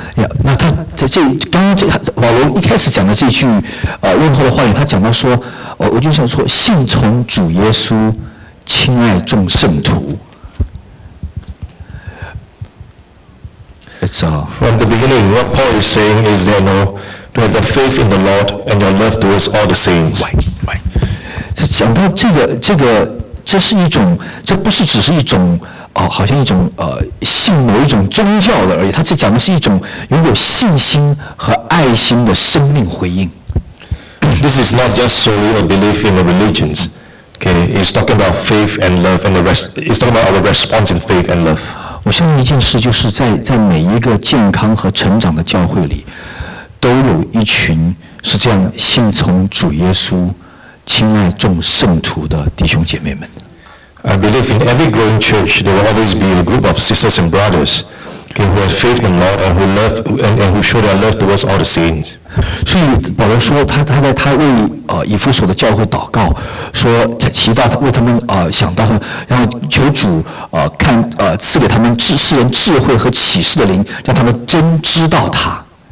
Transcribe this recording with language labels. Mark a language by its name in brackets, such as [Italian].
[Chinese] Yeah, 那他在这刚刚这保罗一开始讲的这句问候的话语，他讲到说，我就想说，信从主耶稣，亲爱众圣徒。 [English] From the beginning, what Paul is saying is that to have the faith in the Lord and your love towards all the saints. Right. [Chinese] 讲到这个，这是一种，这不是只是一种好像一种信某一种宗教的而已。他这讲的是一种拥有信心和爱心的生命回应。 [English] This is not just solely a belief in the religions. Okay, it's talking about faith and love, and the rest. It's talking about our response in faith and love. [Chinese] 我相信一件事，就是在每一个健康和成长的教会里，都有一群是这样信从主耶稣、亲爱众圣徒的弟兄姐妹们。 [English] I believe in every growing church, there will always be a group of sisters and brothers, okay, who have faith in the Lord and who love and who show their love towards all the saints. [Chinese] 所以保罗说，他为以弗所的教会祷告，说提到他为他们想到，然后求主赐给他们智慧和启示的灵，让他们真知道他。